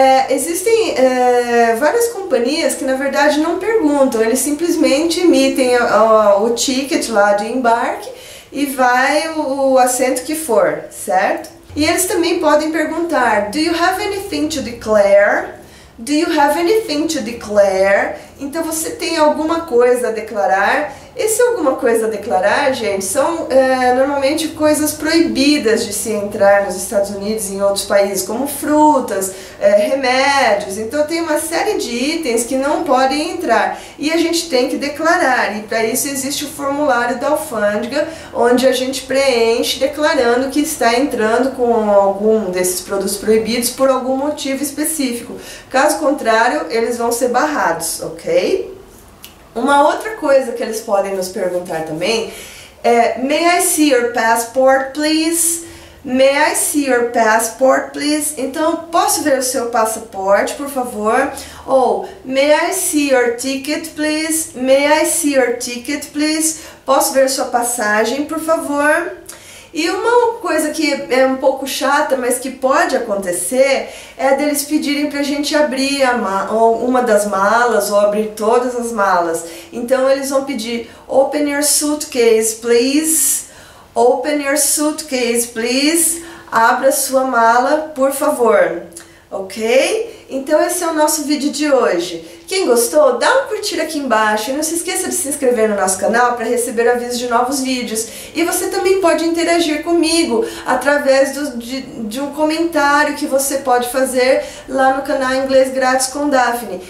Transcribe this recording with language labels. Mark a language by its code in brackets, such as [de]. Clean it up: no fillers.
[pt] Existem várias companhias que, na verdade, não perguntam. Eles simplesmente emitem o ticket lá de embarque e vai o assento que for, certo? E eles também podem perguntar, [en] do you have anything to declare? Do you have anything to declare? [pt] Então, você tem alguma coisa a declarar? Esse alguma coisa a declarar, gente, são normalmente coisas proibidas de se entrar nos Estados Unidos e em outros países, como frutas, remédios. Então, tem uma série de itens que não podem entrar e a gente tem que declarar. E para isso existe o formulário da alfândega, onde a gente preenche declarando que está entrando com algum desses produtos proibidos por algum motivo específico. Caso contrário, eles vão ser barrados, ok? Uma outra coisa que eles podem nos perguntar também é [en] may I see your passport, please? May I see your passport, please? [pt] Então, posso ver o seu passaporte, por favor? [en] Ou may I see your ticket, please? May I see your ticket, please? [pt] Posso ver sua passagem, por favor? E uma coisa que é um pouco chata, mas que pode acontecer, é deles pedirem para a gente abrir uma das malas ou abrir todas as malas. Então eles vão pedir, [en] open your suitcase, please. Open your suitcase, please. [pt] Abra sua mala, por favor. Ok? Então esse é o nosso vídeo de hoje. Quem gostou, dá um curtir aqui embaixo e não se esqueça de se inscrever no nosso canal para receber avisos de novos vídeos. E você também pode interagir comigo através de um comentário que você pode fazer lá no canal Inglês Grátis com Daphne.